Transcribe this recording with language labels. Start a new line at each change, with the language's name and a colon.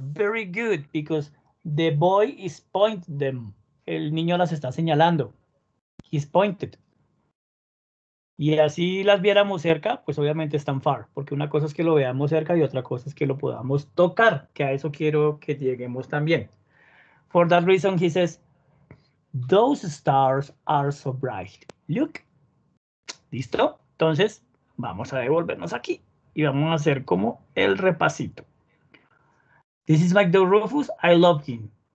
English: Very good, because the boy is pointing them.
Spanish: El niño las está señalando.
English: He's pointed.
Spanish: Y así las viéramos cerca, pues obviamente están far, porque una cosa es que lo veamos cerca y otra cosa es que lo podamos tocar, que a eso quiero que lleguemos también.
English: For that reason, he says, those stars are so bright. Look. ¿Listo?
Spanish: Entonces, vamos a devolvernos aquí y vamos a hacer como el repasito.
English: This is like the Rufus, I love him.